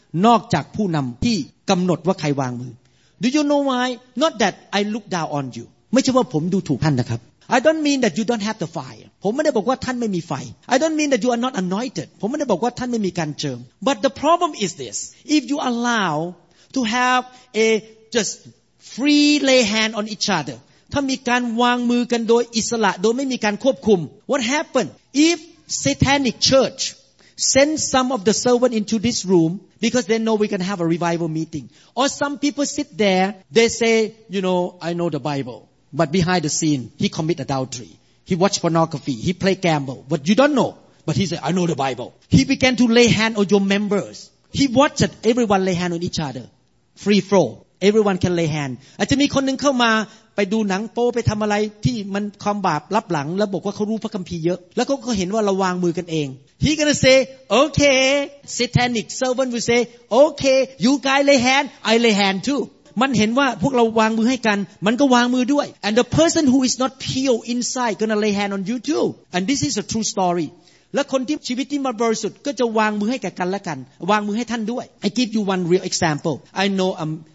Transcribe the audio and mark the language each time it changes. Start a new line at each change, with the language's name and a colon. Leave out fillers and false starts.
Thai: นอกจากผู้นำที่กำหนดว่าใครวางมือ
English: do you know why not that I look down on you
Thai: ไม่ใช่ว่าผมดูถูกท่านนะครับ
English: I don't mean that you don't have the fire
Thai: ผมไม่ได้บอกว่าท่านไม่มีไฟ
English: I don't mean that you are not anointed
Thai: ผมไม่ได้บอกว่าท่านไม่มีการเจิม
English: but the problem is this if you allowTo have a just free lay hand on each other.
Thai: ถ้ามีการวางมือกันโดยอิสระโดยไม่มีการควบคุม
English: What happened if satanic church send some of the servant into this room because they know we can have a revival meeting? Or some people sit there, they say, you know, I know the Bible, but behind the scene, he commit adultery, he watch pornography, he play gamble. But you don't know. But he say, I know the Bible. He began to lay hand on your members. He watched that everyone lay hand on each other. Free flow. Everyone can lay hand.
Thai: อาจจะมีคนหนึ่งเข้ามาไปดูหนังโป๊ไปทำอะไรที่มันความบาปรับหลังแล้วบอกว่าเขารู้พระคัมภีร์เยอะแล้วเขาก็เห็นว่าเราวางมือกันเอง
English: He gonna say, okay. Satanic servant will say, okay. You guys lay hand. I lay hand too.
Thai: มันเห็นว่าพวกเราวางมือให้กันมันก็วางมือด้วย
English: And the person who is not pure inside gonna lay hand on you too. And this is a true story.
Thai: และคนที่ชีวิตที่มาบริสุทธิ์ก็จะวางมือให้แก่กันและกันวางมือให้ท่านด้วย
English: I give you one real example I know a